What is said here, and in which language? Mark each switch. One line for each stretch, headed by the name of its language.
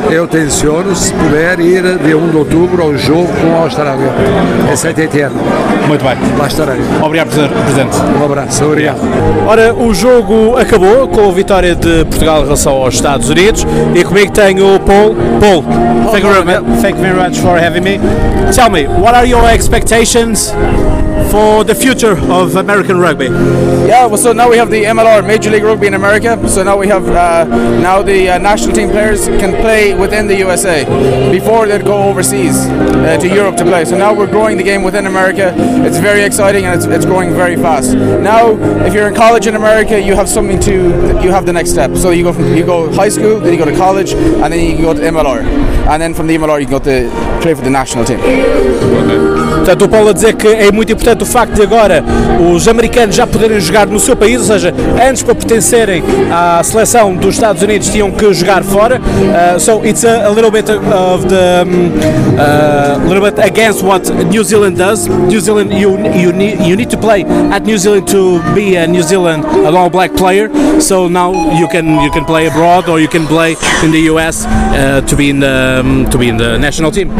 Portuguese: Eu tenciono, se puder, ir de 1 de Outubro ao jogo com a Austrália. Okay. É 7 Muito bem. Lá estarei. Obrigado, Presidente. Uma abraço, obrigado. Ora, o jogo acabou com a vitória de Portugal em relação aos Estados Unidos e comigo tenho o Paul.
English: Paul, thank you very much for having me. Tell me, what are your expectations for the future of American rugby? Yeah, well, so now we have the MLR, Major League Rugby in America. So now we have, now the national team players can play within the USA before they'd go overseas to Europe to play. So now we're growing the game within America. It's very exciting and it's growing very fast. Now, if you're in college in America, you have something to, you have the next step. So you go from, you go high school, then you go to college, and then you go to MLR. And then from the MLR, you can go to play for the national team.
Portuguese: Portanto, o Paulo a dizer que é muito importante o facto de agora os americanos já poderem jogar no seu país, ou seja, antes para pertencerem à seleção dos Estados Unidos tinham que jogar fora.
English: So it's a little bit of the little bit against what New Zealand does. New Zealand, you need to play at New Zealand to be a New Zealand a long black player. So now you can play abroad or you can play in the US to be in the national team.